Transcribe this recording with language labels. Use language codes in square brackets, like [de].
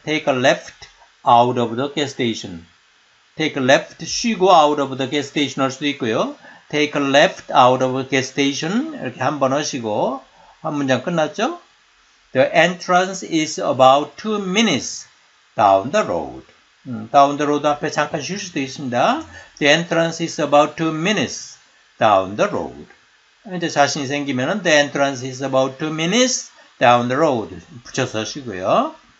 [en] Take a left out of the gas station. Take a left, 쉬고 out of the gas station [ko] 할 수도 있고요. [en] Take a left out of the gas station. [ko] 이렇게 한번 하시고, 한 문장 끝났죠? [en] The entrance is about 2 minutes down the road. Down the road [ko] 앞에 잠깐 쉴 수도 있습니다. [en] The entrance is about 2 minutes down the road. [ko] 이제 자신이 생기면은 [en] The entrance is about 2 minutes down the road [ko] 붙여서 하시고요.